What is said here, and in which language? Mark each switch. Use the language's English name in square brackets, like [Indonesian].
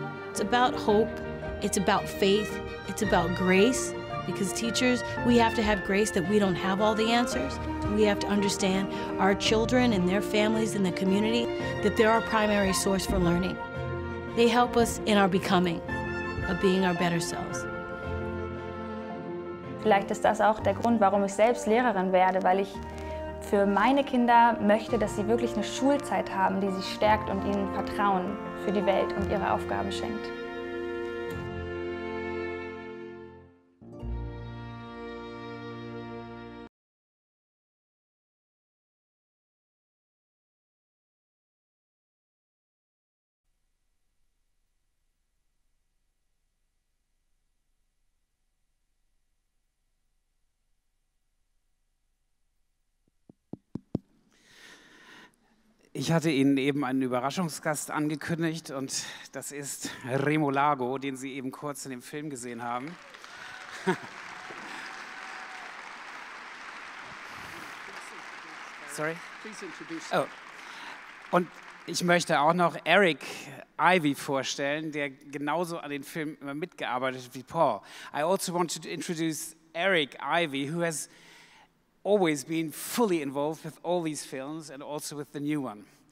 [English] It's about hope, it's about faith, it's about grace, because teachers, we have to have grace that we don't have all the answers. We have to understand our children and their families and the community, that they're our primary source for learning. They help us in our becoming, of being our better selves. [German] Vielleicht ist das auch der Grund, warum ich selbst Lehrerin werde, weil ich für meine Kinder möchte, dass sie wirklich eine Schulzeit haben, die sie stärkt und ihnen Vertrauen für die Welt und ihre Aufgaben schenkt. Ich hatte Ihnen eben einen Überraschungsgast angekündigt und das ist Remo Lago, den Sie eben kurz in dem Film gesehen haben. [English] Sorry? Please introduce him. Oh. [German] Und ich möchte auch noch Eric Ivy vorstellen, der genauso an den Film immer mitgearbeitet hat wie Paul. [English] I also want to introduce Eric Ivy, who has always been fully involved with all these films and also with the new one.